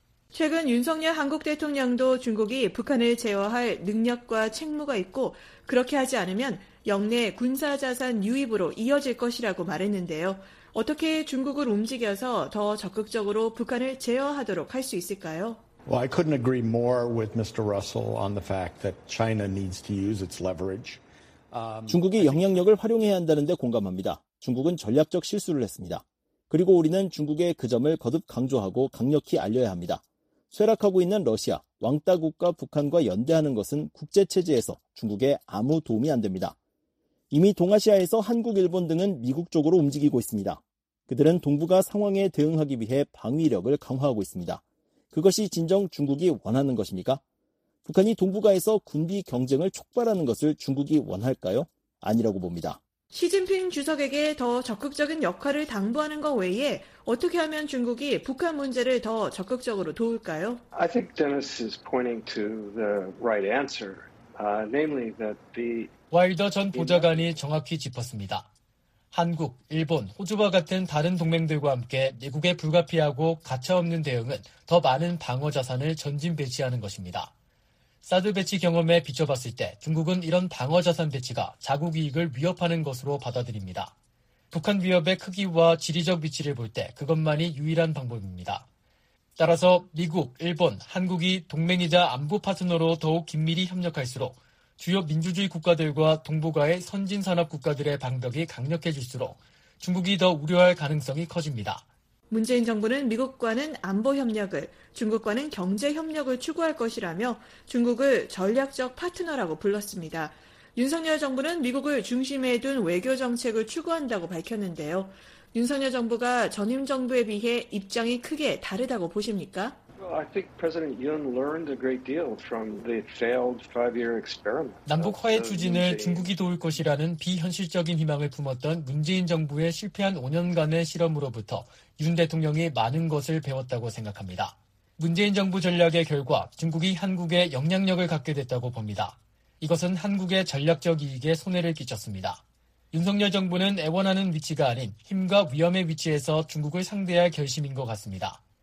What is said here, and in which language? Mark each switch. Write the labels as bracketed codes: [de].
[ko] 최근 윤석열 한국 대통령도 중국이 북한을 제어할 능력과 책무가 있고 그렇게 하지 않으면 영내 군사자산 유입으로 이어질 것이라고 말했는데요. 어떻게 중국을 움직여서 더 적극적으로 북한을 제어하도록 할 수 있을까요? [en] Well, I couldn't agree more with Mr. Russell on the fact that China needs to use its leverage. [ko] 중국이 영향력을 활용해야 한다는데 공감합니다. 중국은 전략적 실수를 했습니다. 그리고 우리는 중국의 그 점을 거듭 강조하고 강력히 알려야 합니다. 쇠락하고 있는 러시아, 왕따 국가 북한과 연대하는 것은 국제체제에서 중국에 아무 도움이 안 됩니다. 이미 동아시아에서 한국, 일본 등은 미국 쪽으로 움직이고 있습니다. 그들은 동북아 상황에 대응하기 위해 방위력을 강화하고 있습니다. 그것이 진정 중국이 원하는 것입니까? 북한이 동북아에서 군비 경쟁을 촉발하는 것을 중국이 원할까요? 아니라고 봅니다. 시진핑 주석에게 더 적극적인 역할을 당부하는 것 외에 어떻게 하면 중국이 북한 문제를 더 적극적으로 도울까요? [en] I think Dennis is pointing to the right answer, namely that the [ko] 와일더 전 보좌관이 정확히 짚었습니다. 한국, 일본, 호주와 같은 다른 동맹들과 함께 미국의 불가피하고 가차없는 대응은 더 많은 방어 자산을 전진 배치하는 것입니다. 사드 배치 경험에 비춰봤을 때 중국은 이런 방어 자산 배치가 자국 이익을 위협하는 것으로 받아들입니다. 북한 위협의 크기와 지리적 위치를 볼 때 그것만이 유일한 방법입니다. 따라서 미국, 일본, 한국이 동맹이자 안보 파트너로 더욱 긴밀히 협력할수록 주요 민주주의 국가들과 동북아의 선진 산업 국가들의 방벽이 강력해질수록 중국이 더 우려할 가능성이 커집니다. 문재인 정부는 미국과는 안보 협력을, 중국과는 경제 협력을 추구할 것이라며 중국을 전략적 파트너라고 불렀습니다. 윤석열 정부는 미국을 중심에 둔 외교 정책을 추구한다고 밝혔는데요. 윤석열 정부가 전임 정부에 비해 입장이 크게 다르다고 보십니까? [en] I think President Yun learned a great deal from the failed five-year experiment. [ko] 남북 화해 추진을 중국이 도울 것이라는 비현실적인 희망을 품었던 문재인 정부의 실패한 5년간의 실험으로부터 윤 대통령이 많은 것을 배웠다고 생각합니다. 문재인 정부 전략의 결과 중국이 한국에 영향력을 갖게 됐다고 봅니다. 이것은 한국의 전략적 이익에 손해를 끼쳤습니다. 윤석열 정부는 애원하는 위치가 아닌 힘과 위험의 위치에서 중국을 상대할 결심인 것 같습니다.